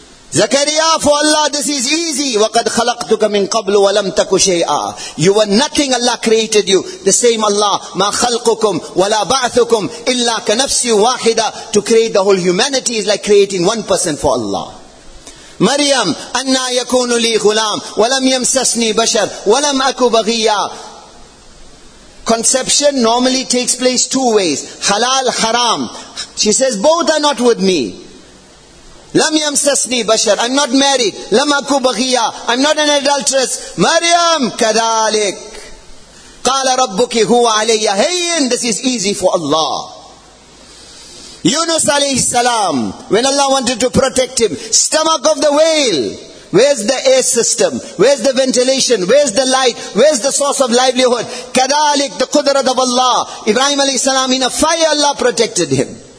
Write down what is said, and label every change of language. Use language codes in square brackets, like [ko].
[en] Zakaria, for Allah, this is easy. [ar] وَقَدْ خَلَقْتُكَ مِنْ قَبْلُ وَلَمْ تَكُ شَيْئًا. [en] You were nothing, Allah created you. The same Allah. [ar] مَا خَلْقُكُمْ وَلَا بَعْثُكُمْ إِلَّا كَنَفْسٍ وَاحِدًا. [en] To create the whole humanity is like creating one person for Allah. [ar] Maryam, أَنَّا يَكُونُ لِي غُلَامْ وَلَمْ يَمْسَسْنِي بَشَرْ وَلَمْ أَكُ بَغِيًّا. [en] Conception normally takes place two ways. Halal, haram. She says, both are not with me. [ar] لَمْ يَمْسَسْنِي بَشَرْ [en] I'm not married. [ar] لَمْ أَكُ بَغِيًّا [en] I'm not an adulteress. [ar] Maryam, كَذَلِكْ قَالَ رَبُّكِ هُوَ عَلَيَّ هَيِّن. [en] This is easy for Allah. Yunus alayhi salam, when Allah wanted to protect him, stomach of the whale, where's the air system, where's the ventilation, where's the light, where's the source of livelihood? Kadalik, the qudrat of Allah. Ibrahim alayhi salam, in a fire Allah protected him.